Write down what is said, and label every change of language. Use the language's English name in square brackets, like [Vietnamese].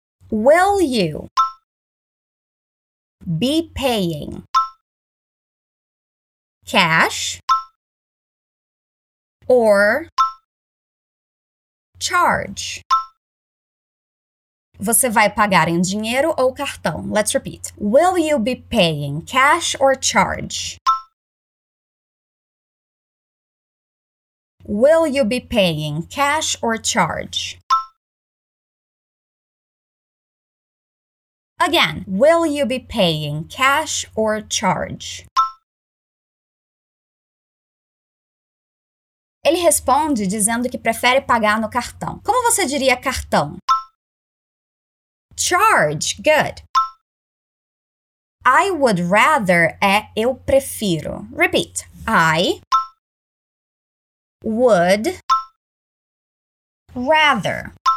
[English] Will you be paying cash or charge? [Portuguese] Você vai pagar em dinheiro ou cartão? [English] Let's repeat. Will you be paying cash or charge? Will you be paying cash or charge? Again, will you be paying cash or charge? [Portuguese] Ele responde dizendo que prefere pagar no cartão. Como você diria cartão? [English] Charge, good. I would rather [Portuguese] é eu prefiro. [English] Repeat. I would rather.